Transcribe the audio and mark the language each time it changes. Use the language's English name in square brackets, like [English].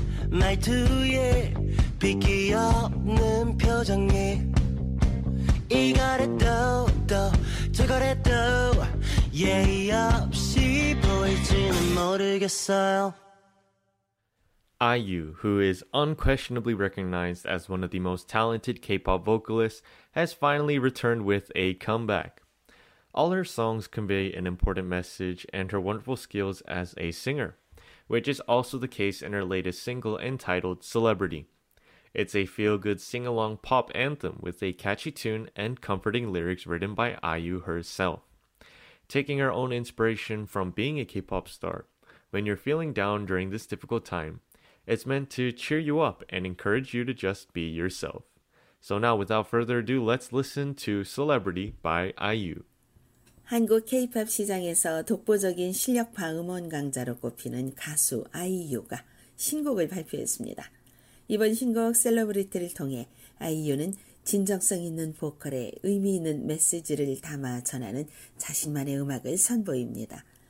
[Korean] 말투에 비끼어는 표정에 이거래도 또 저거래도 예의 없이 보일지는 모르겠어요. [English] IU, who is unquestionably recognized as one of the most talented K-pop vocalists, has finally returned with a comeback. All her songs convey an important message and her wonderful skills as a singer, which is also the case in her latest single entitled Celebrity. It's a feel-good sing-along pop anthem with a catchy tune and comforting lyrics written by IU herself. Taking her own inspiration from being a K-pop star, when you're feeling down during this difficult time, it's meant to cheer you up and encourage you to just be yourself. So now, without further ado, let's listen to Celebrity by IU. [Korean] 한국 K-POP 시장에서 독보적인 실력파 음원 강자로 꼽히는 가수 아이유가 신곡을 발표했습니다. 이번 신곡 셀러브리티를 통해 아이유는 진정성 있는 보컬에 의미 있는 메시지를 담아 전하는 자신만의 음악을 선보입니다.